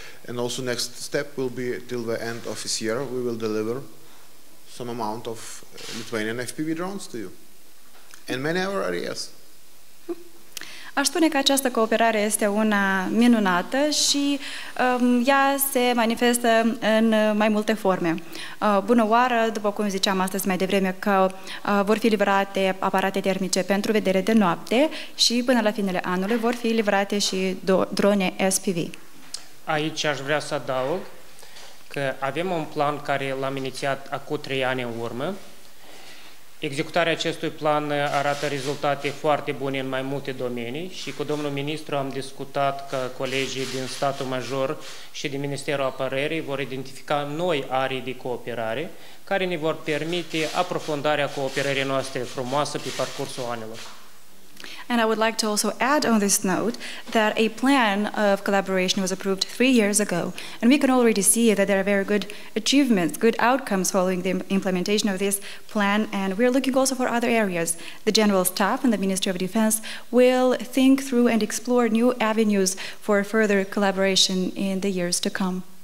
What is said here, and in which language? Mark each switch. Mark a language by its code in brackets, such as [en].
[en] And also next step will be till the end of this year, we will deliver some amount of Lithuanian FPV drones to you. And many other areas. [ro] Aș spune că această cooperare este una minunată și ea se manifestă în mai multe forme. Bunăoară, după cum ziceam astăzi mai devreme, că vor fi livrate aparate termice pentru vedere de noapte și până la finele anului vor fi livrate și drone SPV. Aici aș vrea să adaug că avem un plan care l-am inițiat acum 3 ani în urmă. Executarea acestui plan arată rezultate foarte bune în mai multe domenii și cu domnul ministru am discutat că colegii din statul major și din Ministerul Apărării vor identifica noi arii de cooperare care ne vor permite aprofundarea cooperării noastre frumoasă pe parcursul anilor. [en] And I would like to also add on this note that a plan of collaboration was approved 3 years ago, and we can already see that there are very good achievements, good outcomes following the implementation of this plan, and we are looking also for other areas. The General Staff and the Ministry of Defense will think through and explore new avenues for further collaboration in the years to come.